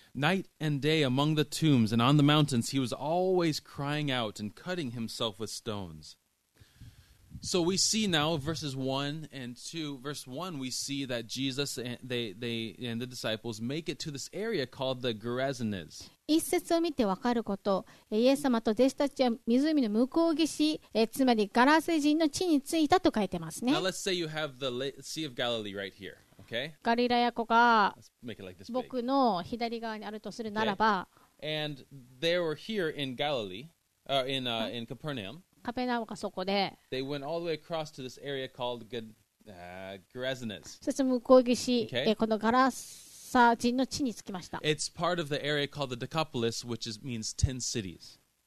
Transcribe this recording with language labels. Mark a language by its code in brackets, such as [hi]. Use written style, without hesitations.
[en] Night and day among the tombs and on the mountains, he was always crying out and cutting himself with stones. So we see now verses 1 and 2. Verse 1, we see that Jesus and they and the disciples make it to this area called the Gerasenes. [ja] 一節を見てわかること、イエス様と弟子たちは湖の向こう岸、つまりガラセ人の地に着いたと書いてますね。 [en] Now let's say you have the Sea of Galilee right here, okay? [ja] ガリラヤ湖が僕の左側にあるとするならば、 [en] okay. And they were here in Galilee, in Capernaum. [ja] カペナウがそこで。 [en] They went all the way across to this area called Gerasenes. [ja] そして向こう岸、okay. このガラス人の地に着きました。 [en] It's part of the area called the Decapolis, which is, means 10 cities.